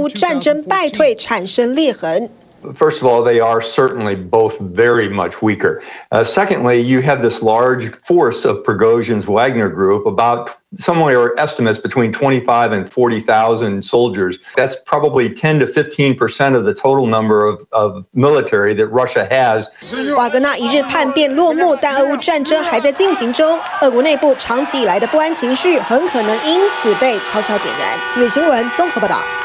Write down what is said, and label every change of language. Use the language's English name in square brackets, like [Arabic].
[Chinese] 但专家认为普里格金性格更像是拿钱办事的黑帮，过往亲信关系早已因为俄乌战争败退产生裂痕。 [English] First of all, they are certainly both very much weaker. Secondly, you have this large force of Prigozhin's Wagner group, about somewhere estimates between 25 and 40,000 soldiers. That's probably 10 to 15% of the total number of military that Russia has. [Chinese] 瓦格纳一日叛变落幕，但俄乌战争还在进行中。俄国内部长期以来的不安情绪很可能因此被悄悄点燃。体育新闻综合报道。